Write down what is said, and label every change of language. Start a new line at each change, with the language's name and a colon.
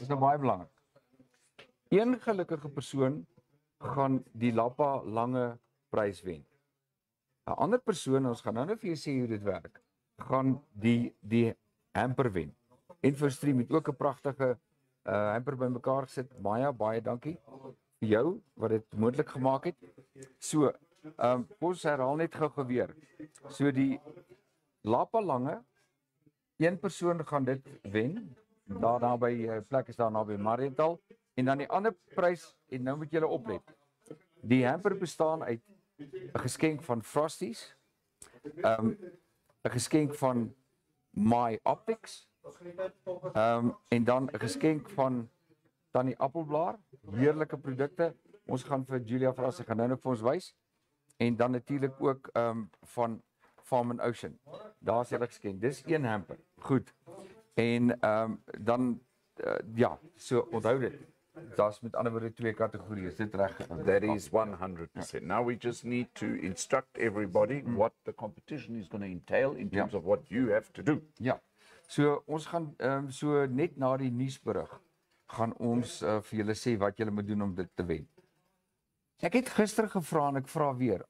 Afrikaans: is nou baie belangrik. Een gelukkige persoon gaan die Lappa lange prys wen. 'N Ander persoon, ons gaan nou vir julle sê hoe dit werk, gaan die hamper wen. Infostream het ook 'n pragtige hamper bymekaar gesit. Baie baie dankie vir jou wat dit moontlik gemaak het. So, ons herhaal net gou weer. So die Lappa lange een persoon gaan dit wen. Daar by plek is daar naby Mariental en dan die ander prys en nou moet julle oplet. Die hamper bestaan uit 'n geskenk van Frosties. 'N Geskenk van My Optics. En dan 'n geskenk van Tannie Appelblaar, heerlike produkte. Ons gaan vir Julia vra sy gaan nou vir ons wys. En dan natuurlik ook van Farm and Ocean. Daar's hulle geskenk. Dis een hamper. Goed. En dan ja, so onthou dit. Daar's met ander woorde twee kategorieë. Is dit reg?
English: That is 100%. Now we just need to instruct everybody what the competition is going to entail in terms of what you have to do.
Afrikaans: Ja. So ons gaan so net na die nuusberig gaan ons vir julle sê wat julle moet doen om dit te wen. Ek het gister gevra en ek vra weer.